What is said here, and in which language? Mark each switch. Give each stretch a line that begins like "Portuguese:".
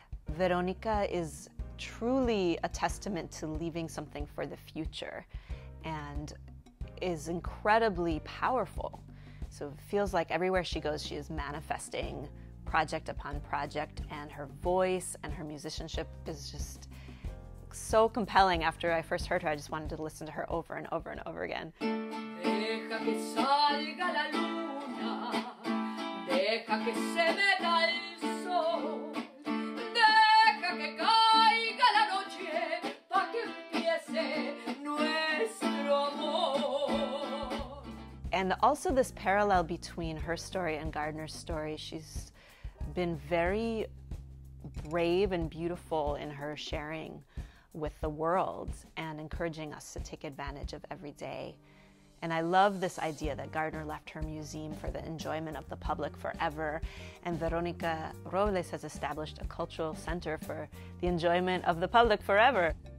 English: Veronica is truly a testament to leaving something for the future and is incredibly powerful. So it feels like everywhere she goes, she is manifesting project upon project, and her voice and her musicianship is just so compelling. After I first heard her, I just wanted to listen to her over and over and over again.
Spanish: Deja que salga la luna, deja que se meta el sol, deja que caiga la noche, pa que empiece nuestro amor.
English: And also this parallel between her story and Gardner's story, she's been very brave and beautiful in her sharing with the world and encouraging us to take advantage of every day. And I love this idea that Gardner left her museum for the enjoyment of the public forever, and Veronica Robles has established a cultural center for the enjoyment of the public forever.